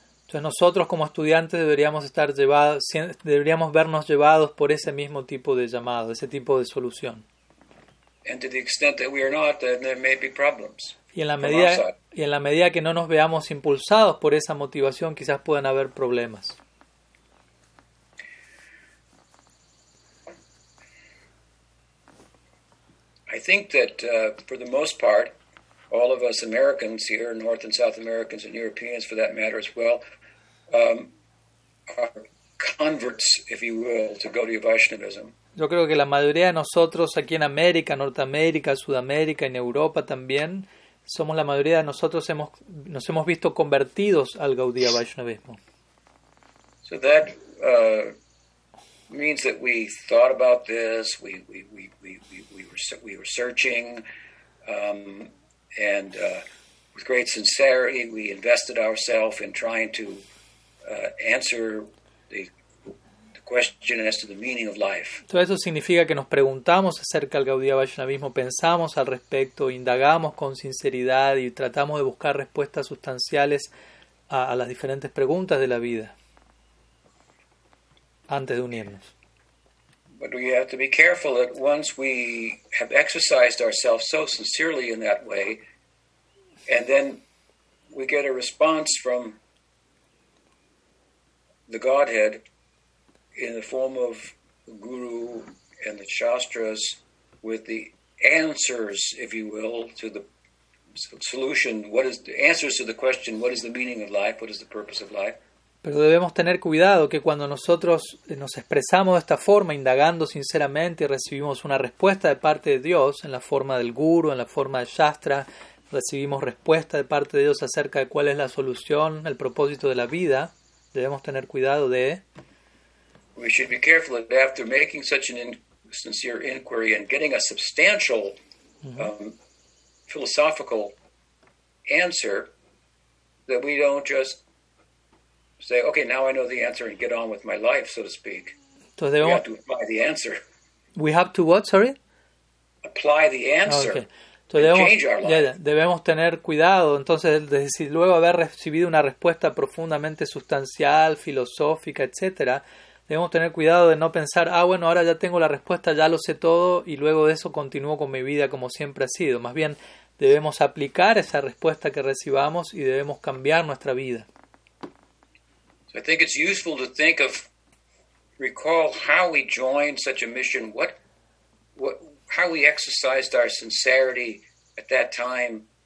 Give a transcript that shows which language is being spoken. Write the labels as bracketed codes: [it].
[es] Entonces nosotros como estudiantes deberíamos vernos llevados por ese mismo tipo de llamado, ese tipo de solución. [en] And to the extent that we are not, then there may be problems. [es] Y en la medida que no nos veamos impulsados por esa motivación, quizás puedan haber problemas. [en] I think that for the most part, all of us Americans here, North and South Americans and Europeans for that matter as well, are converts, if you will, to Gaudiya Vaishnavism. [es] Yo creo que la mayoría de nosotros aquí en América, Norteamérica, Sudamérica y en Europa también, somos la mayoría de nosotros nos hemos visto convertidos al Gaudiya Vaishnavismo. [en] So that means that we thought about this, we were searching, and with great sincerity we invested ourselves in trying to answer the question as to the meaning of life. [es] Todo eso significa que nos preguntamos acerca del Gaudiya Vaishnavismo, pensamos al respecto, indagamos con sinceridad y tratamos de buscar respuestas sustanciales a las diferentes preguntas de la vida antes de unirnos. [en] But we have to be careful that once we have exercised ourselves so sincerely in that way, and then we get a response from the Godhead in the form of the Guru and the Shastras with the answers, if you will, to the solution, what is the answers to the question, what is the meaning of life, what is the purpose of life. [es] Pero debemos tener cuidado que cuando nosotros nos expresamos de esta forma, indagando sinceramente y recibimos una respuesta de parte de Dios en la forma del Guru, en la forma del Shastra, recibimos respuesta de parte de Dios acerca de cuál es la solución, el propósito de la vida, debemos tener cuidado de... [en] We should be careful that after making such an sincere inquiry and getting a substantial philosophical answer, that we don't just say, okay, now I know the answer and get on with my life, so to speak. [es] Entonces debemos, [en] we have to apply the answer. We have to what, sorry? Apply the answer. Okay. [es] Entonces debemos, [en] change our life. Yeah, [es] debemos tener cuidado. Entonces, si luego haber recibido una respuesta profundamente sustancial, filosófica, etcétera, debemos tener cuidado de no pensar, ah, bueno, ahora ya tengo la respuesta, ya lo sé todo, y luego de eso continúo con mi vida como siempre ha sido. Más bien, debemos aplicar esa respuesta que recibamos y debemos cambiar nuestra vida. [en] So I think it's useful to think of, recall how we joined such a mission, how we exercised our sincerity at that time,